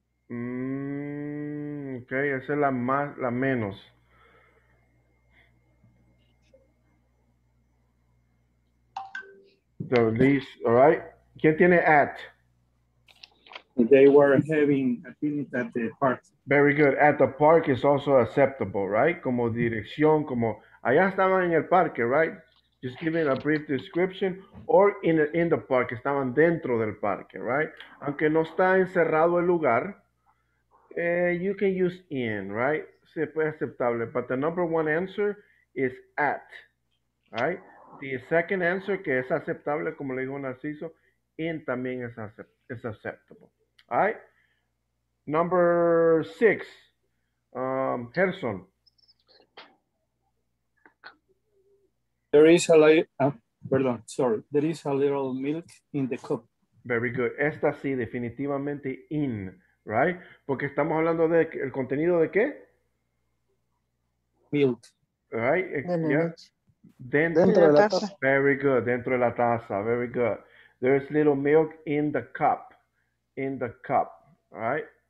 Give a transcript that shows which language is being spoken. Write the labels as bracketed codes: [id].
[es] Okay, esa es la más, la menos. [en] The least, all right. [es] ¿Quién tiene [en] at? They were having a picnic at the park. Very good. At the park is also acceptable, right? [es] Como dirección, como allá estaban en el parque, right? [en] Just giving a brief description, or in the park, [es] estaban dentro del parque, [en] right? [es] Aunque no está encerrado el lugar. [en] You can use in, right? [es] Se puede aceptable. [en] But the number one answer is at, right? The second answer, [es] que es aceptable, como le dijo Narciso, in también es [en] is acceptable, all right? Number six, Gerson. There is a little, there is a little milk in the cup. Very good. [es] Esta sí, definitivamente in. Right? Porque estamos hablando de el contenido de qué? [en] Milk. Right? [es] Dentro de la taza. [en] Very good. [es] Dentro de la taza. [en] Very good. There's little milk in the cup. In the cup. Right?